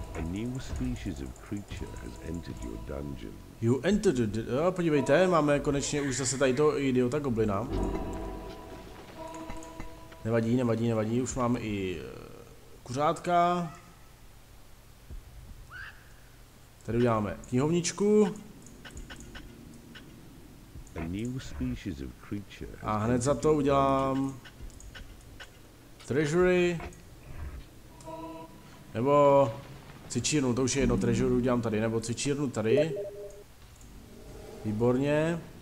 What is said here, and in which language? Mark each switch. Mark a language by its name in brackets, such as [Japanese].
[English] New species of creature has entered your dungeon. You entered the dungeon. [Czech] Jo, podívejte, máme konečně už zase tady toho idiota goblina. Nevadí, už máme i kuřátka. Tady uděláme knihovničku. [English] A new species of creature. [Czech] A hned za to udělám treasury. Nebo cvičírnu, to už je jedno, treasure udělám tady, nebo cvičírnu tady. Výborně.